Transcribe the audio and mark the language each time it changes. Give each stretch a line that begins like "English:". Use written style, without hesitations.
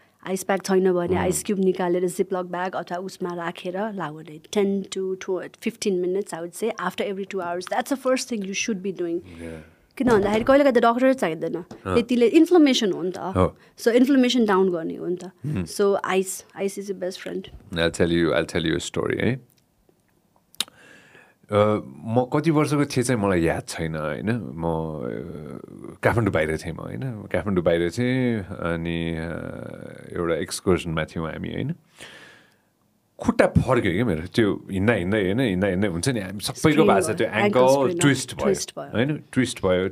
Nepali: Ice pack छैन भने ice cube निकालेर जिप लक ब्याग अथवा उसमा राखेर लगाउने
English: 10 to 15 minutes out से after every 2 hours. That's the first thing you should be doing.
Nepali: किन भन्दाखेरि कहिले कहिले त डक्टर चाहिँदैन, त्यतिले इन्फ्लमेसन हो नि त. सो इन्फ्लमेसन डाउन गर्ने हो नि त.
English: So ice, ice is a best friend. I tell you, I tell you a story है.
Nepali: म कति वर्षको थिएँ चाहिँ मलाई याद छैन होइन. म काठमाडौँ बाहिर थिएँ, म होइन काठमाडौँ बाहिर थिएँ अनि एउटा एक्सकर्सनमा थियौँ हामी होइन. खुट्टा फर्क्यो क्या मेरो, त्यो हिँड्दा हिँड्दै होइन, हिँड्दा हिँड्दै हुन्छ नि हामी सबैको भाषा, त्यो एङ्कल ट्विस्ट भयो होइन, ट्विस्ट भयो.